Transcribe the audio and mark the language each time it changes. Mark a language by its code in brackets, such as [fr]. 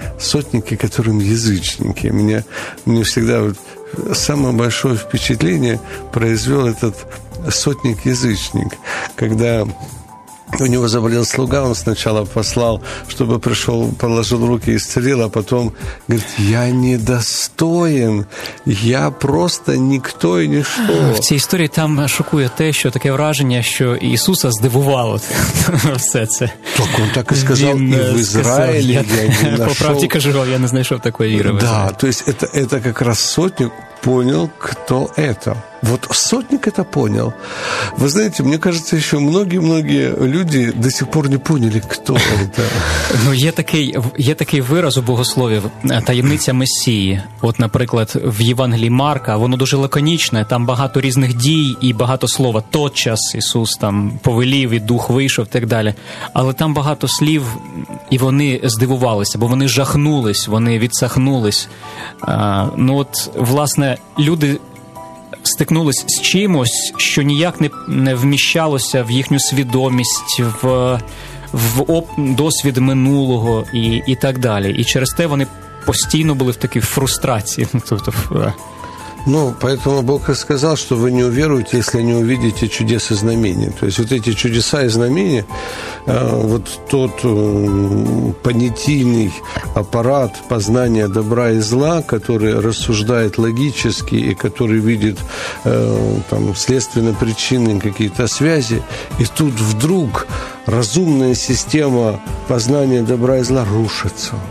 [ru] Сотники, которым язычники. Мне всегда вот самое большое впечатление произвел этот сотник-язычник. Когда у него заболел слуга, он сначала послал, чтобы пришел, положил руки и исцелил, а потом говорит: я недостоин, я просто никто и ничто. [uk] В цій історії там шокує те, що таке враження, що Ісуса здивувало все це. [ru] Так он так и сказал, [uk] він і в Ізраїлі я не знайшов. По правді кажу, я не знайшов такої віри. [ru] Да, то есть это как раз сотник понял, кто это. Вот сотник это понял. Вы знаете, мне кажется, еще многие-многие люди до сих пор не поняли, кто это. [uk] Ну, є такий вираз у богословів – таємниця Месії. От, наприклад, в Євангелії Марка воно дуже лаконічне, там багато різних дій і багато слова. Тотчас Ісус там повелів, і дух вийшов, і так далі. Але там багато слів, і вони здивувалися, бо вони жахнулись, вони відсахнулись. Ну, от, власне, люди стикнулись з чимось, що ніяк не вміщалося в їхню свідомість, в досвід минулого і так далі. І через те вони постійно були в такій фрустрації. [ru] Ну, поэтому Бог и сказал, что вы не уверуете, если не увидите чудес и знамения. То есть вот эти чудеса и знамения, вот тот понятийный аппарат познания добра и зла, который рассуждает логически и который видит там следственно-причинные какие-то связи, и тут вдруг разумная система познания добра и зла рушится.